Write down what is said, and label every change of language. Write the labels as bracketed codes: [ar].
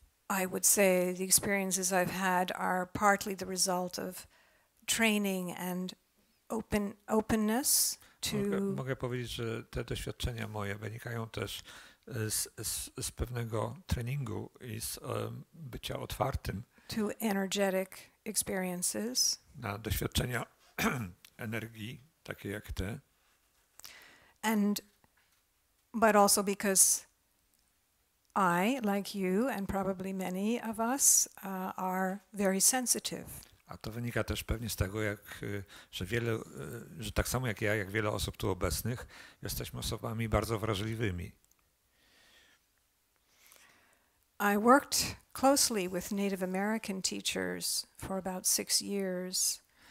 [en] I would say the experiences I've had are partly the result of training and openness to. [pl] Mogę powiedzieć, że te doświadczenia moje wynikają też z pewnego treningu i z bycia otwartym. [en] To energetic experiences. [pl] Na doświadczenia energii, takie jak te. [en] But also because I, like you, and probably many of us, are very sensitive. [pl] A to wynika też pewnie z tego, jak, że wiele, że tak samo jak ja, jak wiele osób tu obecnych, jesteśmy osobami bardzo wrażliwymi. [en] I worked closely with Native American teachers for about 6 years.